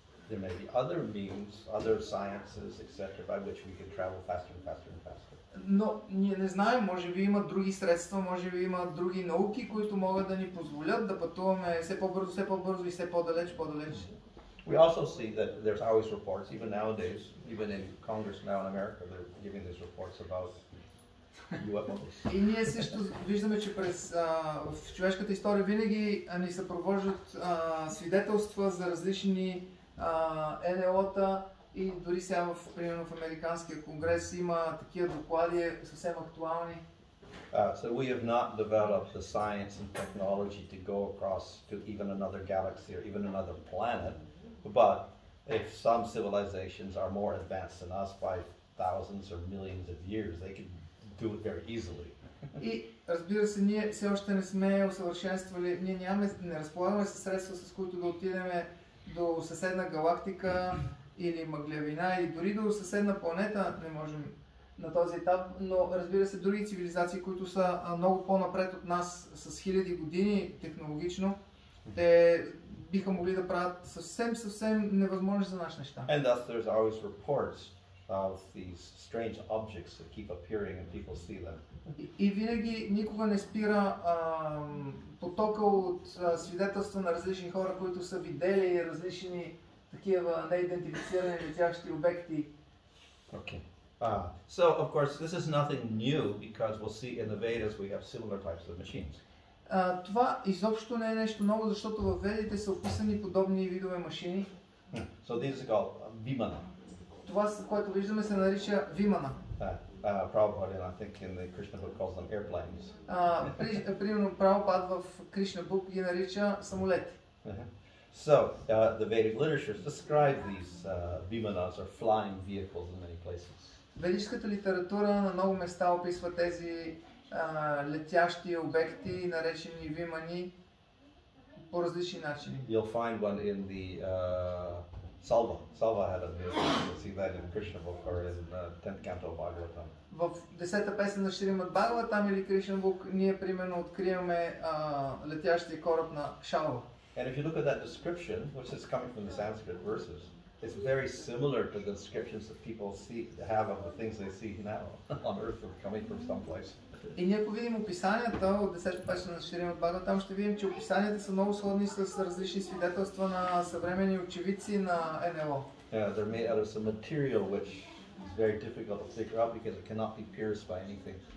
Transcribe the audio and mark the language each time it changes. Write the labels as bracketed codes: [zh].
[en] There may be other means, other sciences, etc., by which we can travel faster and faster and faster. [bg] Но ние не знаем, може би има други средства, може би има други науки, които могат да ни позволят да пътуваме все по-бързо, все по-бързо и все по-далеч, по-далеч. [en] We also see that there's always reports, even nowadays, even in Congress now in America, they're giving these reports about UFOs. [bg] И ние също виждаме, че през в човешката история винаги ни съпровождат свидетелства за различни НЛО-та и дори сега в, примерно, в американския конгрес има такива доклади съвсем актуални. [en] So we have not developed the science and technology to go across to even another galaxy or even another planet, but if some civilizations are more advanced than us by thousands or millions of years, they could do it very easily. [bg] И разбира се, ние все още не сме усъвършенствали, ние нямаме, не разполагаме със средства, с които да отидем до съседна галактика или мъглявина, или дори до съседна планета не можем на този етап, но разбира се, други цивилизации, които са много по-напред от нас с хиляди години технологично, те биха могли да правят съвсем, съвсем невъзможни за нас неща. [en] And thus there's always reports of these strange objects that keep appearing and people see them. [bg] И винаги никога не спира потока от свидетелства на различни хора, които са видели различни такива неидентифицирани летящи обекти. [en] Okay. So of course this is nothing new because we'll see in the Vedas we have similar types of machines. [bg] Това изобщо не е нещо ново, защото в Ведите са описани подобни видове машини. [en] So these are called Vimana. [bg] Това, което виждаме, се нарича Вимана. [en] Probably, I think in the Krishna book calls them airplanes. [bg] Примерно Прабхупад в Кришна бук ги нарича самолети. [en] So, the Vedic literature describes these Vimanas or flying vehicles in many places. [bg] Ведическата литература на много места описва тези летящи обекти, наречени Вимани, по различни начини. [en] You'll find one in the Salva. Salva had a mystery. See that in Krishna book or in the 10th canto of Bhagavatam. [bg] В 10-та песен на Шримад Бхагаватам или Кришна Бук ние примерно откриваме летящия кораб на Шалва. [en] And if you look at that description, which is coming from the Sanskrit verses, it's very similar to the descriptions that people see have of the things they see now on earth or coming from someplace. [bg] И ние ако видим описанията от 10-та песен на Шримад Бхагаватам, ще видим, че описанията са много сходни с различни свидетелства на съвременни очевидци на НЛО. [en] Yeah, they're made out of some material which it's very difficult to figure out because it cannot be pierced by anything.